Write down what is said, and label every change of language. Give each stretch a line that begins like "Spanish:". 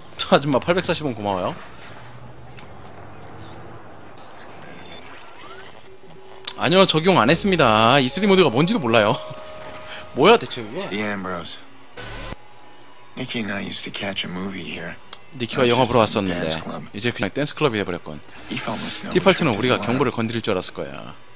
Korean: 아줌마 840원 고마워요. 아니요, 적용 안 했습니다. E3 모드가 뭔지도 몰라요. 뭐야 대체 이게?
English: 니키 and I used to catch a movie here.
Korean: 니키가 영화 보러 왔었는데 이제 그냥 댄스 클럽이 돼버렸군. 디팔트는 우리가 경보를 건드릴 줄 알았을 거야.